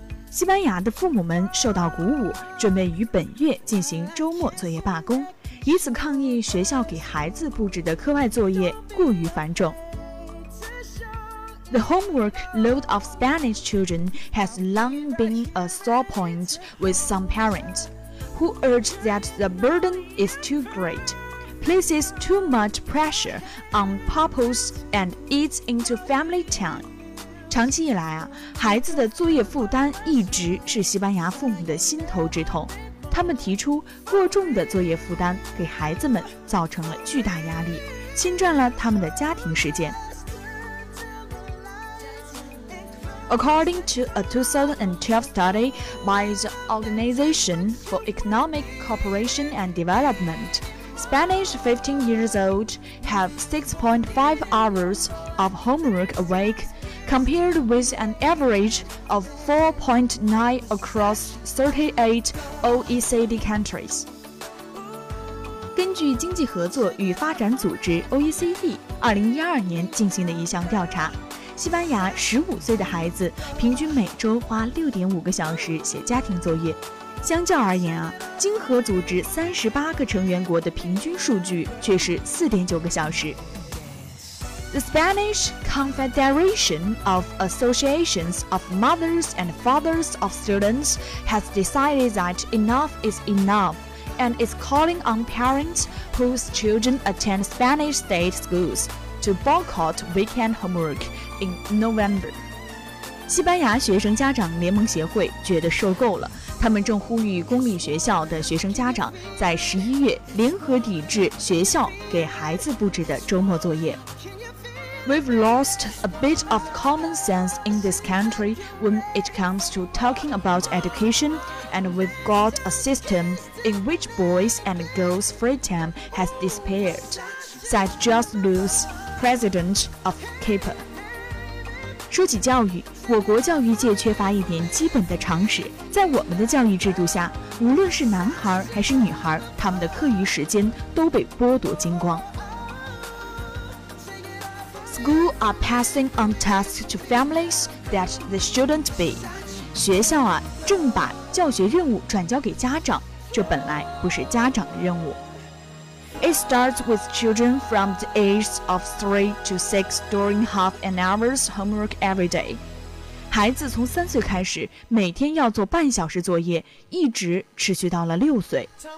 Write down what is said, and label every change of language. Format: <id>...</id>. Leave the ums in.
<zh>西班牙的父母们受到鼓舞，准备于本月进行周末作业罢工，以此抗议学校给孩子布置的课外作业过于繁重。</zh> <en>The homework load of Spanish children has long been a sore point with some parents, who urge that the burden is too great, places too much pressure on pupils, and eats into family time.</en> <zh>长期以来啊，孩子的作业负担一直是西班牙父母的心头之痛。他们提出，过重的作业负担给孩子们造成了巨大压力，侵占了他们的家庭时间。</zh> <en>According to a 2012 study by the Organization for Economic Cooperation and Development, Spanish 15 years old have 6.5 hours of homework a week. Compared with an average of 4.9 across 38 OECD countries。</en> <zh>根据经济合作与发展组织 （OECD）2012 年进行的一项调查，西班牙15岁的孩子平均每周花6.5个小时写家庭作业。相较而言啊，经合组织38个成员国的平均数据却是4.9个小时。</zh> <en>The Spanish Confederation of Associations of Mothers and Fathers of Students has decided that enough is enough, and is calling on parents whose children attend Spanish state schools to boycott weekend homework in November.</en> <zh>西班牙学生家长联盟协会觉得受够了，他们正呼吁公立学校的学生家长在十一月联合抵制学校给孩子布置的周末作业。</zh> <en>We've lost a bit of common sense in this country when it comes to talking about education, and we've got a system in which boys' and girls' free time has disappeared, said Just Luce, president of KIPA.</en> <zh>说起教育，我国教育界缺乏一点基本的常识。在我们的教育制度下，无论是男孩还是女孩，他们的课余时间都被剥夺精光。</zh> <en>School are passing on tasks to families that they shouldn't be。</en> <zh>学校啊，正把教学任务转交给家长，这本来不是家长的任务。</zh> <en>It starts with children from the ages of three to six d r i n g half an hour's homework every day。</en> <zh>孩子从三岁开始，每天要做半小时作业，一直持续到了六岁。</zh>